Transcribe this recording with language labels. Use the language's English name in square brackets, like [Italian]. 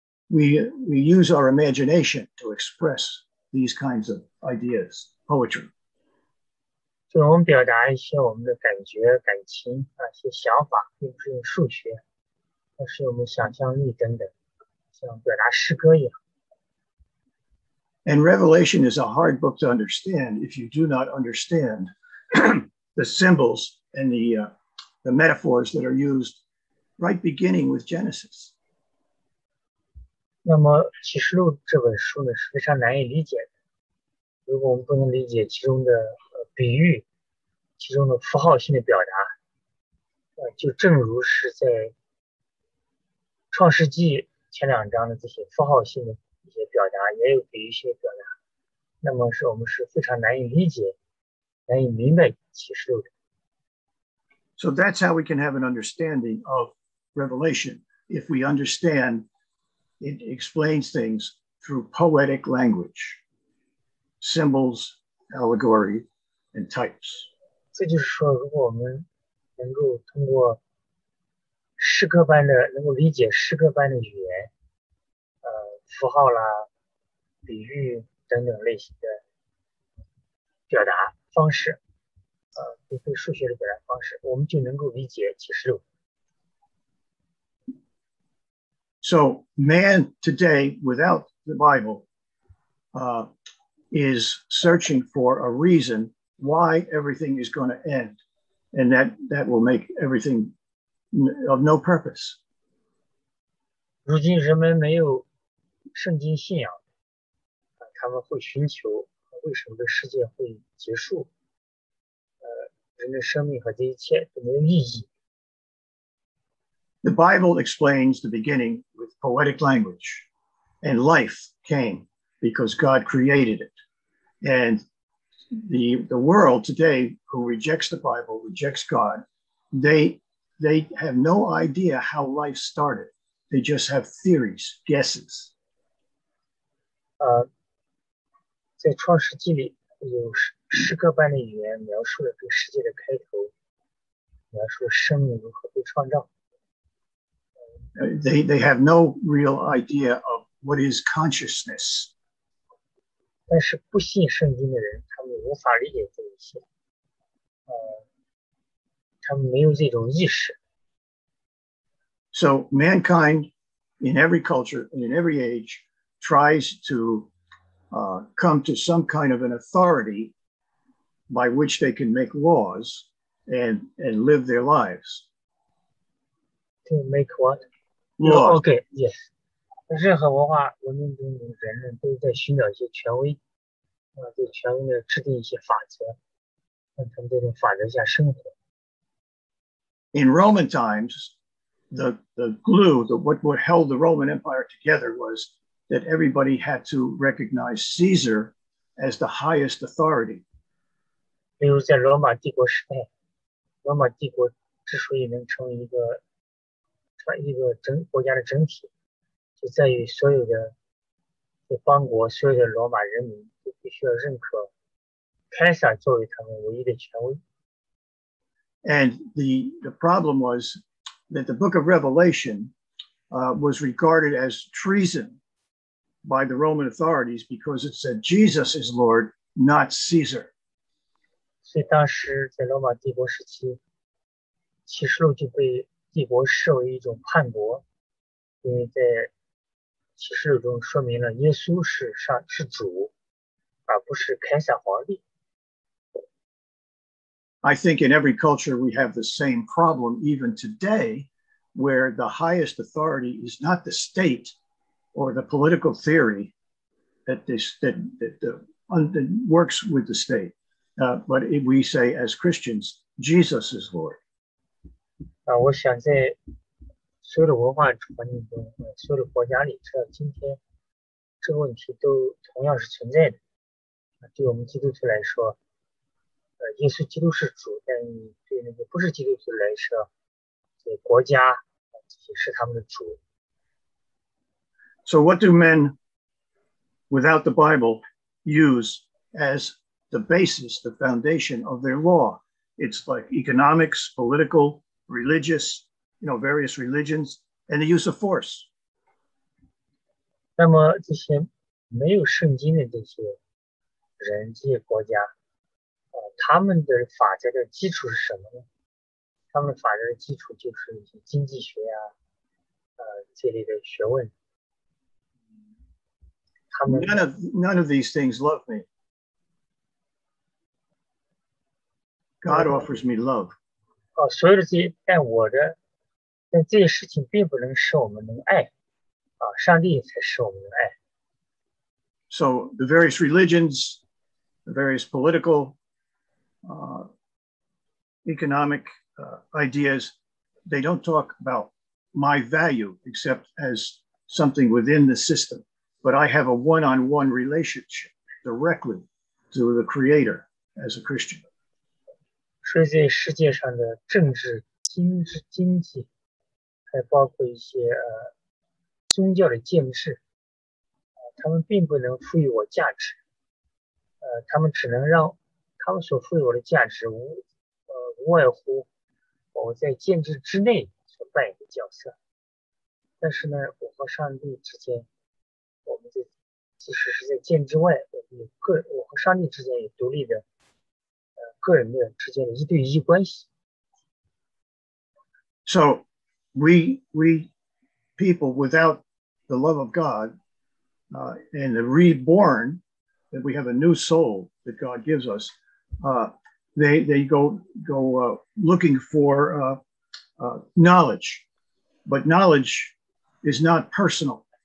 [English] But we use our imagination to express these kinds of ideas, poetry. [Chinese] 就我们表达一些我们的感觉、感情啊，一些想法，并不是用数学，而是我们想象力等等，像表达诗歌一样。 [English] And Revelation is a hard book to understand if you do not understand the symbols and the metaphors that are used right beginning with Genesis. [Chinese] 那么启示录这本书呢是非常难以理解的。如果我们不能理解其中的比喻，其中的符号性的表达，就正如是在创世纪前两章的这些符号性的一些表达，也有比喻性的表达，那么是我们是非常难以理解、难以明白启示录的。 [English] So that's how we can have an understanding of Revelation. If we understand, it explains things through poetic language, symbols, allegory. And types. [Chinese] 这就是说，如果我们能够通过诗歌般的，能够理解诗歌般的语言，符号啦、比喻等等类型的表达方式，就是数学的表达方式，我们就能够理解启示录。 [English] So man today without the Bible, is searching for a reason. Why everything is going to end, and that will make everything of no purpose. [Chinese] 如今人们没有圣经信仰，他们会寻求为什么这世界会结束，人的生命和这一切都没有意义。 [English] The Bible explains the beginning with poetic language, and life came because God created it, and. The world today who rejects the Bible, rejects God, they have no idea how life started. They just have theories, guesses. [Chinese] 在创世纪里有诗歌般的语言描述了这个世界的开头，描述生命如何被创造。 [English] They have no real idea of what is consciousness. [Chinese] 但是不信圣经的人，他们无法理解这一些，他们没有这种意识。 [English] So mankind in every culture and in every age tries to come to some kind of an authority by which they can make laws and live their lives. To make what? Law. Okay, yes. [Chinese] 任何文化文明中的人们都在寻找一些权威。对权威的制定一些法则，让他们在这种法则下生活。 [English] In Roman times, the glue, the what held the Roman Empire together was that everybody had to recognize Caesar as the highest authority. [Chinese] 比如在罗马帝国时代，罗马帝国之所以能成为一个整国家的整体，就在于所有的这邦国，所有的罗马人民都必须要认可凯撒作为他们唯一的权威。 [English] And the problem was that the Book of Revelation, was regarded as treason by the Roman authorities because it said Jesus is Lord, not Caesar. [Chinese] 所以当时在罗马帝国时期，启示录就被帝国视为一种叛国，因为在启示录中说明了耶稣是主，而不是凯撒皇帝。 [English] I think in every culture we have the same problem even today, where the highest authority is not the state or the political theory that works with the state, but if we say as Christians, Jesus is Lord. [Chinese] 我想在所有的文化环境中，所有的国家里，直到今天，这个问题都同样是存在的。对我们基督徒来说，耶稣基督是主，但对那个不是基督徒来说，这个国家也是他们的主。 [English] So what do men without the Bible use as the basis, the foundation of their law? It's like economics, political, religious, you know, various religions, and the use of force. [Chinese] 那么这些没有圣经的这些人、这些国家，他们的法则的基础是什么呢？他们法则的基础就是经济学啊，这类的学问。 [English] None of these things love me. God offers me love. [Chinese] 所有的这些，但这些事情并不能使我们能爱，上帝才使我们能爱。 [English] So the various religions, the various political, economic, ideas, they don't talk about my value except as something within the system. But I have a one-on-one relationship directly to the Creator as a Christian. [Chinese] 所以在世界上的政治、经济，还包括一些宗教的建制，他们并不能赋予我价值。他们只能让他们所赋予我的价值无外乎我在建制之内所扮演的角色。但是呢，我和上帝之间。我们这即使是在剑之外，我和上帝之间有独立的，个人的之间的一对一关系。 [English] So, we people without the love of God, and the reborn, that we have a new soul that God gives us, they go looking for knowledge, but knowledge is not personal.